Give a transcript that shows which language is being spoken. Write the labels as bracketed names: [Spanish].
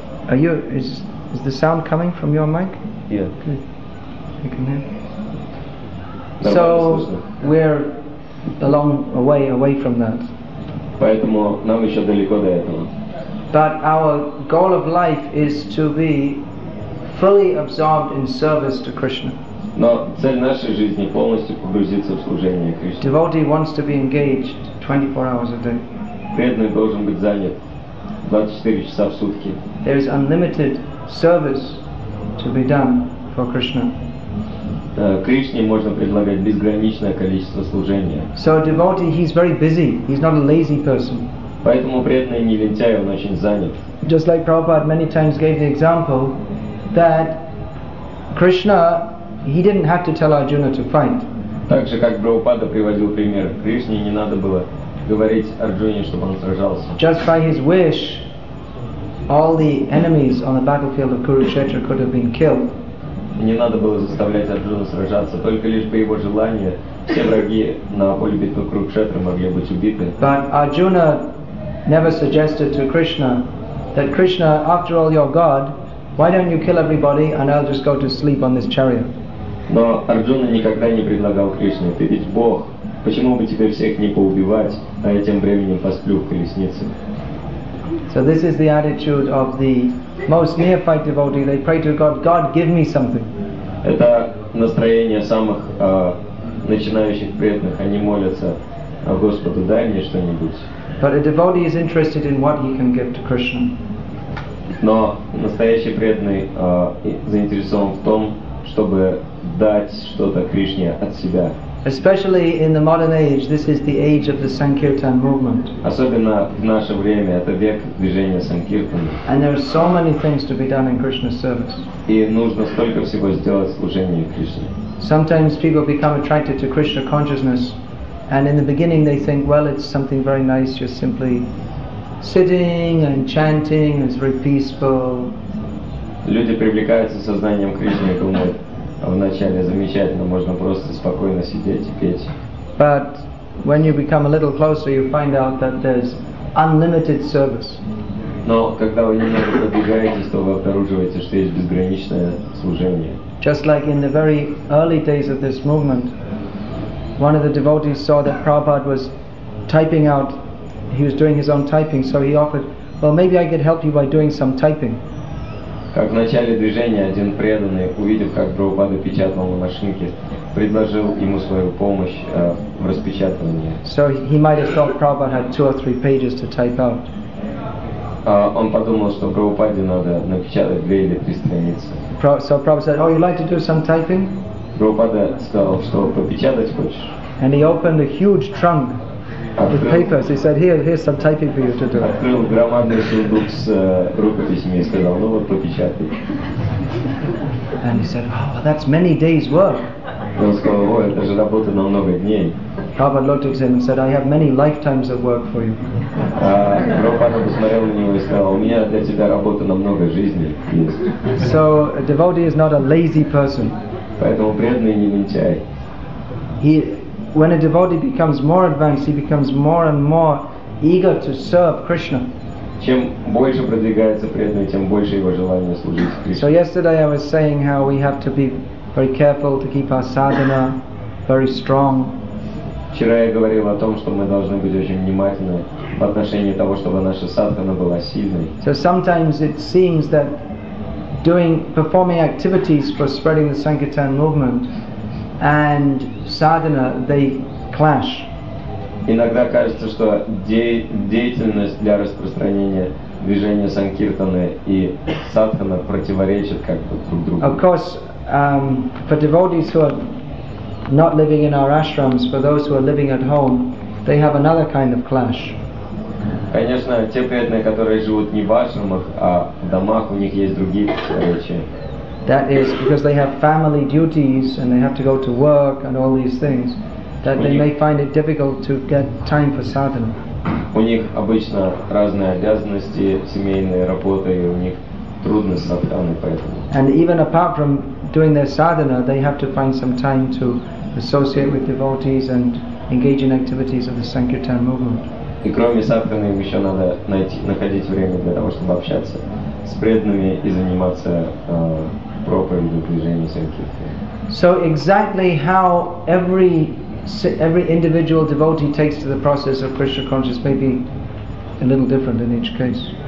[English] Are you, is the sound coming from your mic? Yeah. Good. You can hear. So we're a long way away from that. [Russian] Поэтому нам еще далеко до этого. [English] But our goal of life is to be fully absorbed in service to Krishna. [Russian] Но цель нашей жизни — полностью погрузиться в служение Кришне. [English] Devotee wants to be engaged 24 hours a day. [Russian] Преданный должен быть занят 24 часа в сутки. [English] There is unlimited service to be done for Krishna. [Russian] Кришне можно предлагать безграничное количество служения. [English] So a devotee, he's very busy. He's not a lazy person. [Russian] Поэтому преданный не лентяй, он очень занят. [English] Just like Prabhupada many times gave the example that Krishna, he didn't have to tell Arjuna to fight. [Russian] Так же как Прабхупада приводил пример, Кришне не надо было говорить Арджуне, чтобы он сражался. [English] Just by his wish, all the enemies on the battlefield of Kurukshetra could have been killed. [Russian] Не надо было заставлять Арджуну сражаться, только лишь по его желанию все враги на поле битвы Курукшетры могли быть убиты. [English] But Arjuna never suggested to Krishna that Krishna, after all, you're God, why don't you kill everybody and I'll just go to sleep on this chariot? [Russian] Но Арджуна никогда не предлагал Кришне: ты ведь Бог, почему бы тебе всех не поубивать, а я тем временем посплю в колеснице? [English] So this is the attitude of the most neophyte devotee. They pray to God, God, give me something. [Russian] Это настроение самых начинающих преданных. Они молятся Господу, дай мне что-нибудь. [English] But a devotee is interested in what he can give to Krishna. [Russian] Но настоящий преданный заинтересован в том, чтобы дать что-то Кришне от себя. [English] Especially in the modern age, this is the age of the Sankirtan movement. [Russian] Особенно в наше время, это век движения Санкиртана. [English] And there are so many things to be done in Krishna's service. [Russian] И нужно столько всего сделать в служении Кришне. [English] Sometimes people become attracted to Krishna consciousness, and in the beginning they think, well, it's something very nice, just simply sitting and chanting, it's very peaceful. [Russian] Люди привлекаются сознанием Кришны и думают, Вначале замечательно, можно просто спокойно сидеть и петь. [English] But when you become a little closer, you find out that there's unlimited service. [Russian] Но когда вы немного продвигаетесь, то вы обнаруживаете, что есть безграничное служение. [English] Just like in the very early days of this movement, one of the devotees saw that Prabhupada was typing out, he was doing his own typing, so he offered, well, maybe I could help you by doing some typing. [Russian] Как в начале движения один преданный, увидев, как Прабхупада печатал на машинке, предложил ему свою помощь в распечатывании. [English] So he might have thought Prabhupada had two or three pages to type out. [Russian] Он подумал, что Прабхупаде надо напечатать две или три страницы. [English] So Prabhupada said, oh, you'd like to do some typing? [Russian] Прабхупада сказал, что попечатать хочешь? [English] And he opened a huge trunk with papers. He said, here's some typing for you to do. [Russian] Открыл громадный сундук с рукописями и сказал, ну вот, попечатай. [English] And he said, oh, well, that's many days' work. [Russian] Он сказал, ой, это же работа на много дней. [English] Prabhupada looked at him and said, I have many lifetimes of work for you. [Russian] Прабхупада посмотрел на него и сказал, у меня для тебя работа на много жизней есть. [English] So a devotee is not a lazy person. [Russian] Поэтому преданный не лентяй. [English] When a devotee becomes more advanced, he becomes more and more eager to serve Krishna. [Russian] Чем больше продвигается преданный, тем больше его желание служить Кришне. [English] So yesterday I was saying how we have to be very careful to keep our sadhana very strong. [Russian] Вчера я говорил о том, что мы должны быть очень внимательны в отношении того, чтобы наша садхана была сильной. [English] So sometimes it seems that performing activities for spreading the Sankirtan movement and sadhana, they clash. [Russian] Иногда кажется, что деятельность для распространения движения Санкиртаны и садхана противоречат как бы друг другу. [English] Of course, for devotees who are not living in our ashrams, for those who are living at home, they have another kind of clash. [Russian] Конечно, те преданные, которые живут не в ашрамах, а в домах, у них есть другие противоречия. [English] That is because they have family duties and they have to go to work and all these things, that they may find it difficult to get time for sadhana. [Russian] У них обычно разные обязанности, семейные работы, и у них трудно с садханой поэтому. [English] And even apart from doing their sadhana, they have to find some time to associate with devotees and engage in activities of the Sankirtan movement. [Russian] И кроме садханы, им еще надо находить время для того, чтобы общаться с преданными и заниматься проповедью движения Санкиртаны. [English] So exactly how every individual devotee takes to the process of Krishna consciousness may be a little different in each case.